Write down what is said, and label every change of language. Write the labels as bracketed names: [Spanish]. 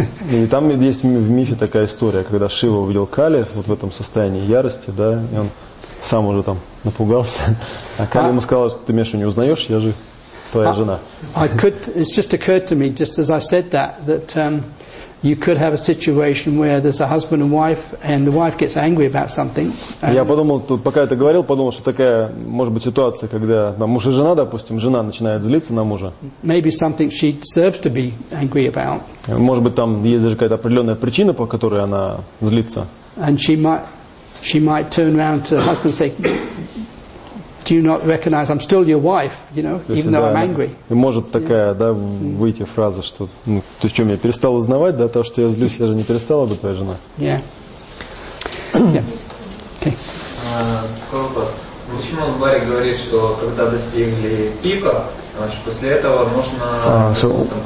[Russian] И там есть в мифе такая история, когда Шива увидел Кали вот в этом состоянии ярости, да, и он сам уже там напугался. А Кали ему сказала, что ты меня что не узнаешь, я же твоя жена. [English] It's just occurred to me, just as I said that, that you could have a situation where there's a husband and wife, and the wife gets angry about something. [Russian] Я подумал, тут, пока я это говорил, подумал, что такая может быть ситуация, когда там, муж и жена, допустим, жена начинает злиться на мужа. [English] Maybe something she deserves to be angry about. [Russian] Может быть, там есть даже какая-то определенная причина, по которой она злится. [English] And she might turn around to her husband and say, "Do you not recognize I'm still your wife, you know, even though I'm angry?" [Russian] И может такая, да, выйти фраза, что, ну, ты что, меня перестал узнавать, да, то, что я злюсь, я же не перестала быть твоей женой. Yeah. Такой вопрос. Почему Барри говорит, что когда достигли пика, значит, после этого можно...